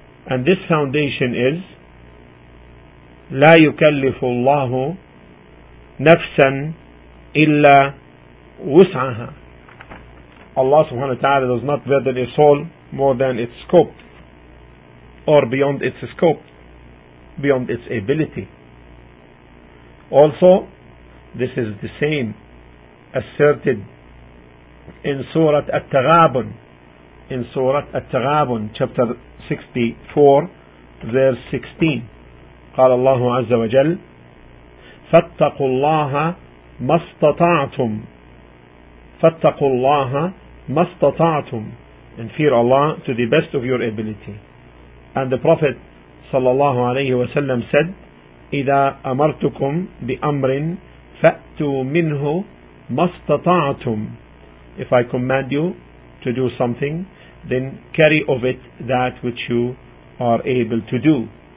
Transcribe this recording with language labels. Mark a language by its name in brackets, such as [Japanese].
[English] And this foundation is [Arabic] لا يكلف الله نفسا إلا وسعها. [English] Allah subhanahu wa ta'ala does not burden a soul more than its scope, or beyond its scope, beyond its ability. Also, this is the same asserted in Surah At-Taghabun, chapter 64, verse 16. [Arabic] قال الله عز وجل فاتقوا الله ما استطعتم فاتقوا الله ما استطعتم. [English] And fear Allah to the best of your ability. And the Prophet sallallahu alayhi wa sallam said, [Arabic] إِذَا أَمَرْتُكُمْ بِأَمْرٍ فَأْتُوا مِنْهُ مَا اسْتَطَعْتُمْ. [English] If I command you to do something, then carry of it that which you are able to do.